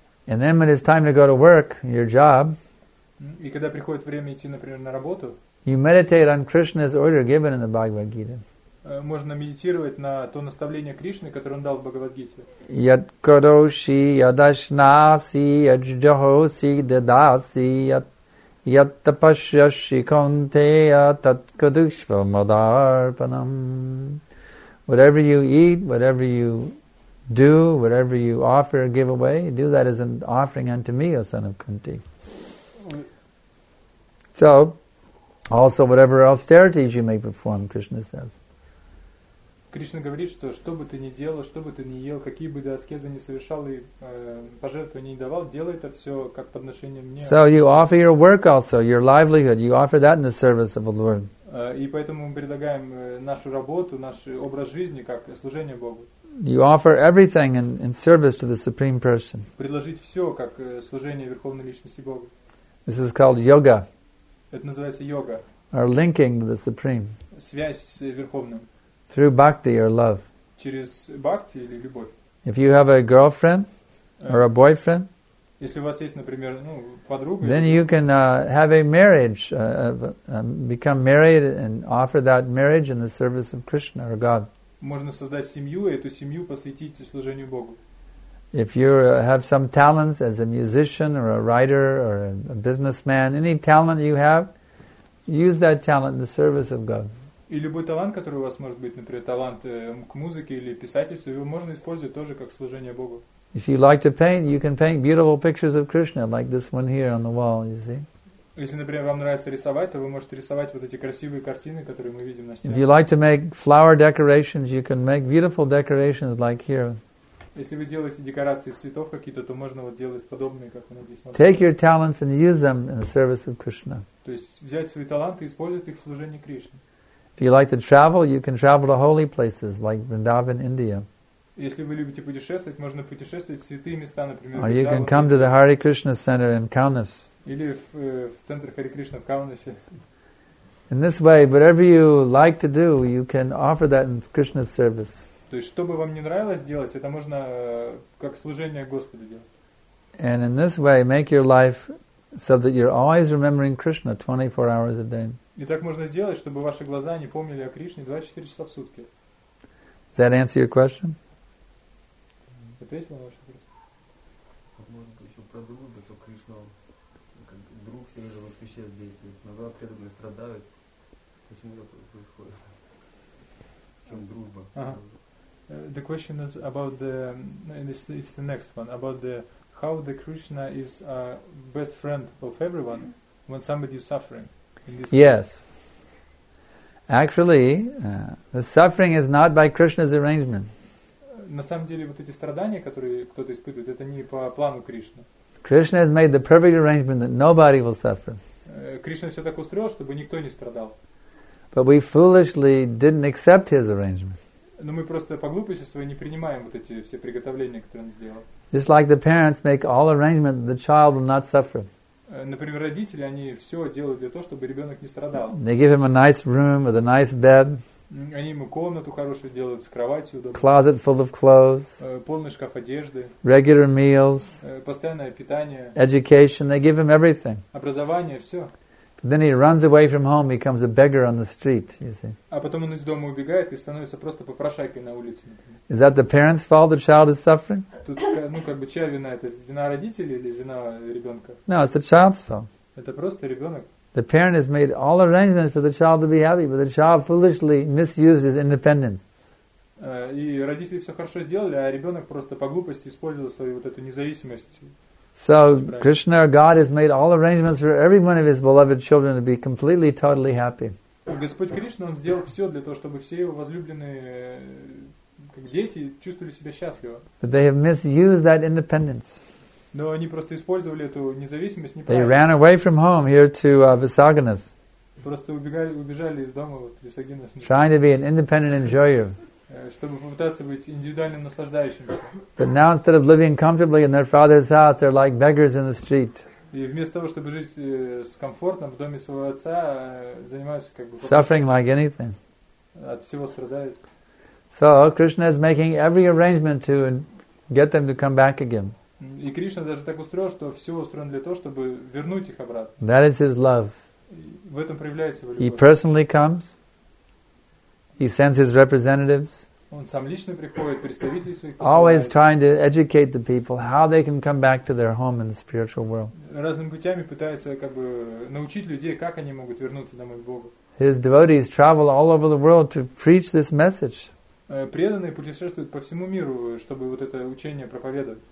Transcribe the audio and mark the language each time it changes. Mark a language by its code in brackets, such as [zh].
[en] And then when it's time to go to work, your job, [ru] и когда приходит время идти, например, на работу, [en] you meditate on Krishna's order given in the Bhagavad Gita. [ru] Можно медитировать на то наставление Кришны, которое он дал в Бхагавад-гите. [sa] Яд кароши ядашнаси яджжохоси дедаси яд тапашьяши каунтея таткадушвамадарпанам. [en] Whatever you eat, whatever you do, whatever you offer or give away, do that as an offering unto me, O son of Kunti. So, also, whatever austerities you may perform, Krishna says. [ru] Кришна говорит, что бы ты ни делал, что бы ты ни ел, какие бы ты аскезы ни совершал и пожертвования ни давал, делай это все как подношение мне. [en] So you offer your work also, your livelihood, you offer that in the service of the Lord. [ru] И поэтому мы предлагаем нашу работу, наш образ жизни как служение Богу. [en] You offer everything in service to the Supreme Person. [ru] Предложить все как служение Верховной Личности Бога. [en] This is called yoga. [ru] Это называется йога. [en] Or linking with the Supreme. [ru] Связь с Верховным. [en] Through bhakti or love. [ru] Через бхакти или любовь. [en] If you have a girlfriend or a boyfriend, [ru] если у вас есть, например, подруга, [en] then you can have a marriage, become married and offer that marriage in the service of Krishna or God. [ru] Можно создать семью и эту семью посвятить служению Богу. [en] If you have some talents as a musician or a writer or a businessman, any talent you have, use that talent in the service of God. [ru] И любой талант, который у вас может быть, например, талант к музыке или писательству, его можно использовать тоже как служение Богу. [en] If you like to paint, you can paint beautiful pictures of Krishna, like this one here on the wall, you see. [ru] Если, например, вам нравится рисовать, то вы можете рисовать вот эти красивые картины, которые мы видим на стене. [en] If you like to make flower decorations, you can make beautiful decorations like here. [ru] Если вы делаете декорации из цветов какие-то, то можно вот делать подобные, как у нас здесь. [en] Take your talents and use them in the service of Krishna. [ru] То есть взять свои таланты и использовать их в служении Кришне. [en] If you like to travel, you can travel to holy places like Vrindavan, India. [ru] Если вы любите путешествовать, можно путешествовать в святые места, например. [en] Or you can come to the Hare Krishna Center in Kaunas. [ru] Или в центр Харе Кришна в Каунасе. [en] In this way, whatever you like to do, you can offer that in Krishna's service. [ru] То есть, что бы вам не нравилось делать, это можно как служение Господу делать. [en] And in this way, make your life so that you're always remembering Krishna 24 hours a day. [ru] И так можно сделать, чтобы ваши глаза не помнили о Кришне 24 часа в сутки. [en] Does that answer your question? [ru] Ответил на ваш вопрос. Возможно, еще про дружбу, что Кришна как друг все же воспрещает действие. Иногда преданные страдают. Почему это происходит? В чем дружба? [en] The question is about the, it's the next one, about the how the Krishna is a best friend of everyone when somebody is suffering. Yes. Actually, the suffering is not by Krishna's arrangement. [ru] На самом деле, вот эти страдания, которые кто-то испытывает, это не по плану Кришны. [en] Krishna has made the perfect arrangement that nobody will suffer. [ru] Кришна все так устроил, чтобы никто не страдал. [en] But we foolishly didn't accept his arrangement. [ru] Но мы просто по глупости своей не принимаем вот эти все приготовления, которые он сделал. [en] Just like the parents make all arrangements, the child will not suffer. [ru] Например, родители, они все делают для того, чтобы ребенок не страдал. [en] They give him a nice room with a nice bed. [ru] Они ему комнату хорошую делают с кроватью удобной. [en] Closet full of clothes. [ru] Полный шкаф одежды. [en] Regular meals. [ru] Постоянное питание. [en] Education. They give him everything. [ru] Образование, все. [en] But then he runs away from home, becomes a beggar on the street, you see. [ru] А потом он из дома убегает и становится просто попрошайкой на улице, например. [en] Is that the parents' fault the child is suffering? [ru] Тут, ну, как бы, чья вина? Это вина родителей или вина ребенка? [en] No, it's the child's fault. [ru] Это просто ребенок. [en] The parent has made all arrangements for the child to be happy, but the child foolishly misused his independence. [ru] И родители все хорошо сделали, а ребенок просто по глупости использовал свою вот эту независимость. [en] So Krishna, our God, has made all arrangements for every one of His beloved children to be completely, totally happy. [ru] Господь Кришна, Он сделал все для того, чтобы все Его возлюбленные дети чувствовали себя счастливо. [en] But they have misused that independence. [ru] Но они просто использовали эту независимость неправильно. [en] They ran away from home here to Visakhanas. [ru] Просто убежали из дома вот Висагинас. [en] Trying to be an independent enjoyer. [ru] Чтобы попытаться быть индивидуальным наслаждающимся. [en] But now instead of living comfortably in their father's house, they're like beggars in the street. [ru] И вместо того, чтобы жить с комфортом в доме своего отца, занимаются как бы. [en] Suffering like anything. [ru] От всего страдают. [en] So Krishna is making every arrangement to get them to come back again. [ru] И Кришна даже так устроил, что все устроено для того, чтобы вернуть их обратно. [en] That is His love. [ru] В этом проявляется его любовь. [en] He personally comes. He sends his representatives. [ru] Он сам лично приходит, представители своих посылает. [en] Always trying to educate the people how they can come back to their home in the spiritual world. [ru] Разными путями пытается как бы научить людей, как они могут вернуться домой к Богу. [en] His devotees travel all over the world to preach this message. [ru] Преданные путешествуют по всему миру, чтобы вот это учение проповедовать.